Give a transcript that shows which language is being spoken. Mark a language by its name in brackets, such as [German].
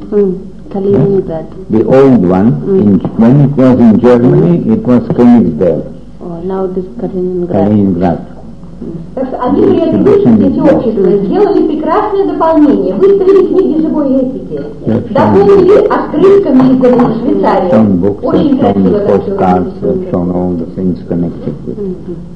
[English] The old one, when it was in Germany, it was Königsberg. Now this Kaliningrad. Kaliningrad. [Russian] Они при этом выставке эти общества сделали прекрасное дополнение, выставили книги живой этики, дополнили открытками из Швейцарии. [English] Some books, some postcards, have shown all the things connected with it.